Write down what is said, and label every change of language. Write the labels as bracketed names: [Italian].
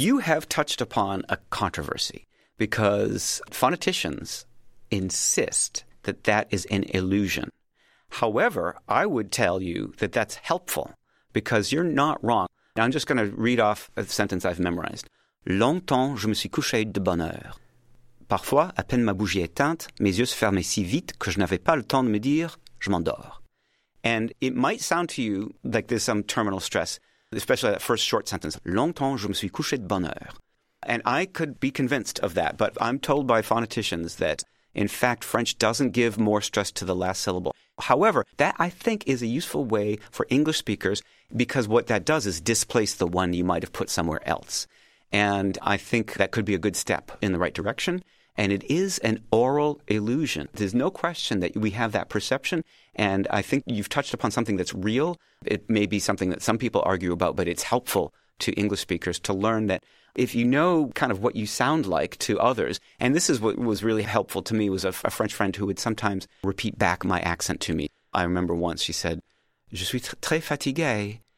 [English] You have touched upon a controversy because phoneticians insist that that is an illusion. However, I would tell you that that's helpful. Because you're not wrong. Now, I'm just going to read off a sentence I've memorized. [French] Longtemps, je me suis couché de bonne heure. Parfois, à peine ma bougie éteinte, mes yeux se fermaient si vite que je n'avais pas le temps de me dire, je m'endors. [English] And it might sound to you like there's some terminal stress, especially that first short sentence. [French] Longtemps, je me suis couché de bonne heure. [English] And I could be convinced of that, but I'm told by phoneticians that, in fact, French doesn't give more stress to the last syllable. However, that I think is a useful way for English speakers because what that does is displace the one you might have put somewhere else. And I think that could be a good step in the right direction. And it is an oral illusion. There's no question that we have that perception. And I think you've touched upon something that's real. It may be something that some people argue about, but it's helpful to English speakers to learn that if you know kind of what you sound like to others, and this is what was really helpful to me, was a French friend who would sometimes repeat back my accent to me. I remember once she said, [French] je suis très fatigué.